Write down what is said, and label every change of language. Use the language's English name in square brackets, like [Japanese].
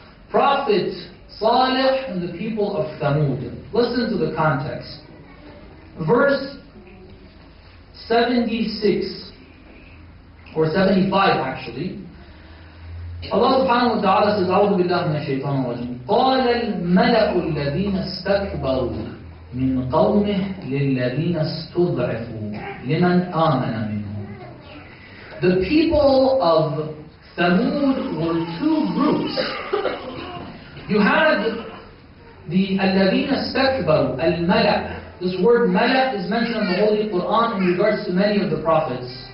[English] Prophet Salih and the people of Thamud. Listen to the context. Verse 76, or 75 actually. Allah subhanahu wa ta'ala says, [Arabic] أعوذ بالله من الشيطان الرجيم. قال الملأ الذين استكبروا من قومه للذين استضعفوا لمن آمن منهم. [English] The people of Thamud were two groups. You had the [Arabic] الذين استكبروا الملأ. [English] This word ملأ is mentioned in the Holy Quran in regards to many of the prophets.